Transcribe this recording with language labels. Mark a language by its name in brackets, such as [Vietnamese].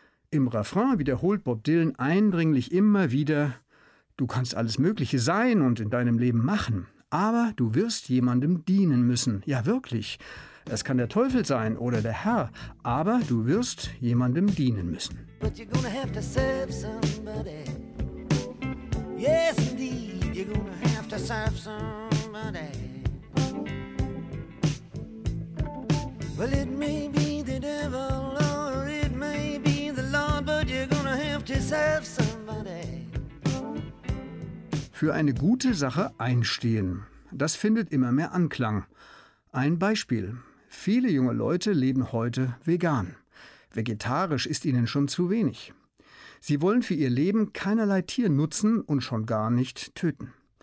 [German] Im Refrain wiederholt Bob Dylan eindringlich immer wieder »Du kannst alles Mögliche sein und in deinem Leben machen«. Aber du wirst jemandem dienen müssen. Ja, wirklich. Es kann der Teufel sein oder der Herr, aber du wirst jemandem dienen müssen. [English] But you're gonna have to serve somebody. Yes, indeed, you're gonna have to serve somebody. Well, it may be the devil or it may be the Lord, but you're gonna have to serve somebody. [German] Für eine gute Sache einstehen. Das findet immer mehr Anklang. Ein Beispiel. Viele junge Leute leben heute vegan. Vegetarisch ist ihnen schon zu wenig. Sie wollen für ihr Leben keinerlei Tier nutzen und schon gar nicht töten.